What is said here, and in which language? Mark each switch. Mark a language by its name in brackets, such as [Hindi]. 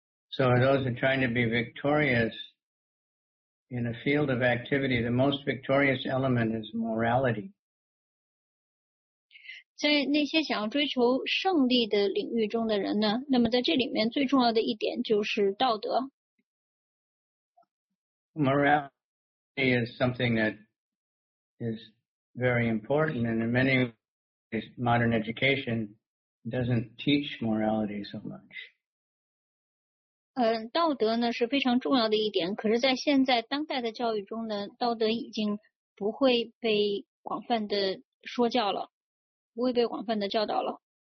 [English] So those who are trying to be victorious in a field of activity, the most victorious element is morality. [Chinese] 在那些想要追求胜利的领域中的人呢，那么在这里面最重要的一点就是道德。 [English] Morality is something that is very important, and in many ways, modern education doesn't teach morality so much. [Chinese] 道德呢是非常重要的一点，可是在现在当代的教育中呢，道德已经不会被广泛的说教了，不会被广泛的教导了。